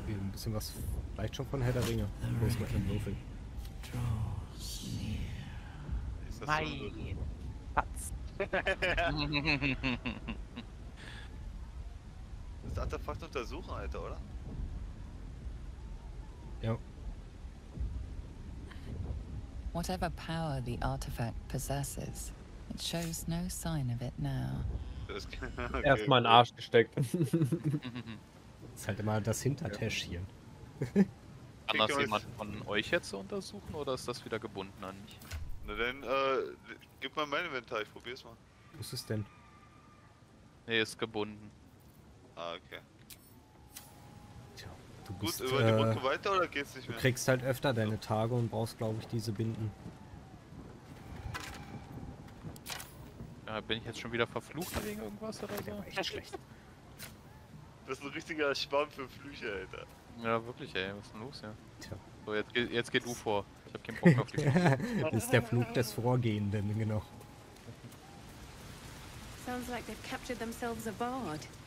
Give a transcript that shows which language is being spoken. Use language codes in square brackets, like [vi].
[de] Ein bisschen was vielleicht schon von Herr der Ringe. Wo ist mein Würfel? Mein Patz. Das Artefakt untersuchen, Alter, oder? Ja. [en] Whatever power the artifact possesses, it shows no sign of it now. [de] Okay. Erstmal in den Arsch gesteckt. Das ist halt immer das Hintertäschchen. Kann das jemand von euch jetzt untersuchen oder ist das wieder gebunden an mich? Na dann, gib mal mein Inventar, ich probier's mal. Was ist denn? Nee, ist gebunden. Ah, okay. Du gut, bist, über die Brücke weiter oder geht's nicht mehr? Du kriegst halt öfter deine Tage und brauchst, glaube ich, diese Binden. Ja, bin ich jetzt schon wieder verflucht wegen irgendwas oder so? Ja, echt schlecht. Das ist ein richtiger Schwamm für Flüche, Alter. Ja, wirklich, ey. Was ist denn los, ja? Tja. So, jetzt geh du vor. Ich hab keinen Bock auf die Flüche. Das ist der Flug des Vorgehenden, genau. [en] Sounds like they've captured themselves aboard.